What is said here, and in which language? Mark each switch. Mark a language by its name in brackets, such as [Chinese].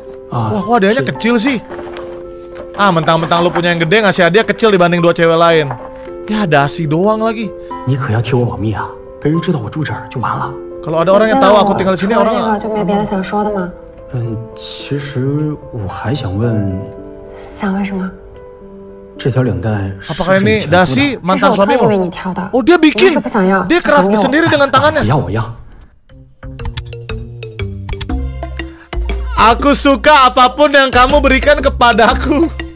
[Indonesian] Wah, kok hadiahnya kecil sih? Ah, mentang-mentang lu punya yang gede, ngasih hadiah kecil dibanding dua cewek lain. Ya, dasi doang lagi. [Chinese] 你可要替我保密啊！别人知道我住这儿就完了。Kalau [Indonesian] ada orang yang tahu aku tinggal di sini, orang [Chinese] lah. 就没别的想说的吗？其实我还想问。想问什么？ [Indonesian] Apakah ini dasi mantan suamimu? Oh dia bikin, dia craft sendiri dengan tangannya. Aku suka apapun yang kamu berikan kepadaku.